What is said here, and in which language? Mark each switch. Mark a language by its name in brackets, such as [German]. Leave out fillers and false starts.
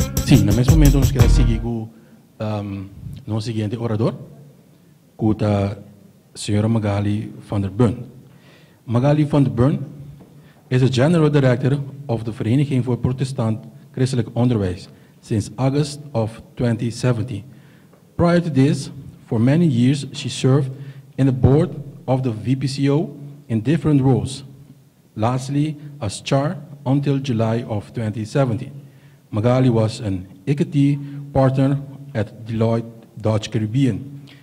[Spanish] en ese momento nos queda seguir con nuestro siguiente orador, con la señora Magali van der Burn. [English] Magali van der Burn [Spanish] es el [English] General Director of the Vereniging voor Protestant Christelijk Onderwijs since August of 2017. Prior to this, for many years she served in the board of the VPCO in different roles, lastly as chair until July of 2017. Magali was an equity partner at Deloitte Dutch Caribbean.